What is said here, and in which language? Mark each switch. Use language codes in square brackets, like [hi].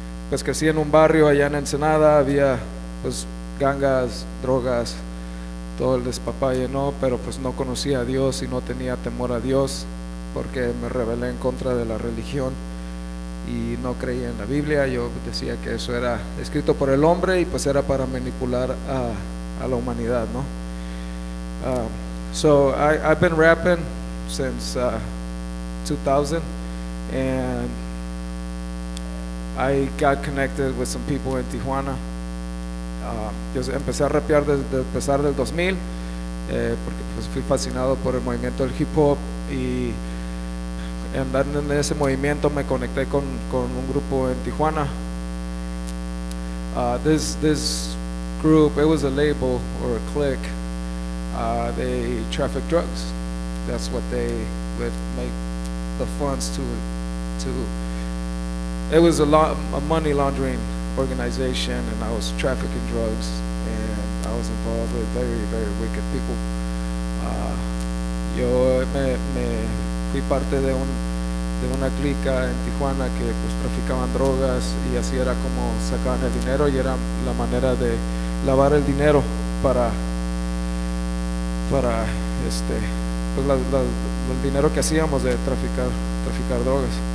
[es] Pues crecí en un barrio allá en Ensenada. Había pues gangas, drogas, todo el despapalle, ¿no? Pero pues no conocía a Dios y no tenía temor a Dios porque me rebelé en contra de la religión y no creía en la Biblia. Yo decía que eso era escrito por el hombre y pues era para manipular a la humanidad, ¿no? [en] So I've been rapping since 2000, and I got connected with some people in Tijuana. [es] Yo empecé a rapear desde empezar del 2000, porque pues fui fascinado por el movimiento del hip hop, y andando en ese movimiento me conecté con un grupo en Tijuana. [en] This group, it was a label or a clique. They trafficked drugs. That's what they would make the funds to. It was a money laundering organization, and I was trafficking drugs, and I was involved with very, very wicked people. [es] Yo me fui parte de una clica en Tijuana que pues traficaban drogas, y así era como sacaban el dinero, y era la manera de lavar el dinero para el dinero que hacíamos de traficar drogas.